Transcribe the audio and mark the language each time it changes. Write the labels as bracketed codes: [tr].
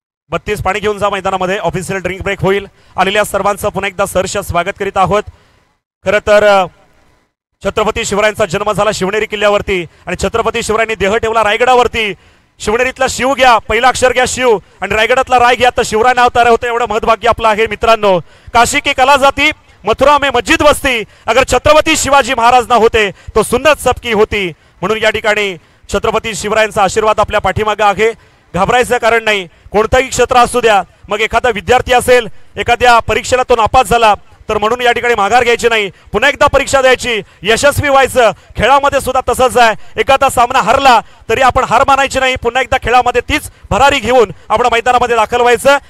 [mr] बत्तीस पाणी घेऊन जा मैदानामध्ये, ऑफिशियल ड्रिंक ब्रेक होईल। आलेल्या सर्वांचं पुन्हा एकदा सहर्ष स्वागत करीत आहोत। खर तर छत्रपती शिवरायांचा जन्म झाला शिवनेरी किल्ल्यावरती आणि छत्रपती शिवरायांनी देह ठेवला रायगडावरती। शिवनेरीतला शिव घ्या, पहिला अक्षर घ्या शिव आणि रायगडातला राय घ्या तर शिवराय नाव तयार होतं, एवढं महदभाग्य आपलं आहे मित्रांनो। [hi] काशी की कला जाती मथुरा में मस्जिद वस्ती, अगर छत्रपती शिवाजी महाराज ना होते तो सुन्नत सबकी होती। [mr] म्हणून या ठिकाणी छत्रपती शिवरायांचा आशीर्वाद आपल्या पाठीमागे आहे, घाबरायचं कारण नाही। कोणतंही क्षेत्र असू द्या, मग एखादा विद्यार्थी असेल एखाद्या परीक्षेला तो नापास झाला तर म्हणून या ठिकाणी माघार घ्यायची नाही, पुन्हा एकदा परीक्षा द्यायची, यशस्वी व्हायचं। खेळामध्ये सुद्धा तसंच आहे, एखादा सामना हरला तरी आपण हार मानायची नाही, पुन्हा एकदा खेळामध्ये तीच भरारी घेऊन आपण मैदानामध्ये दाखल व्हायचं।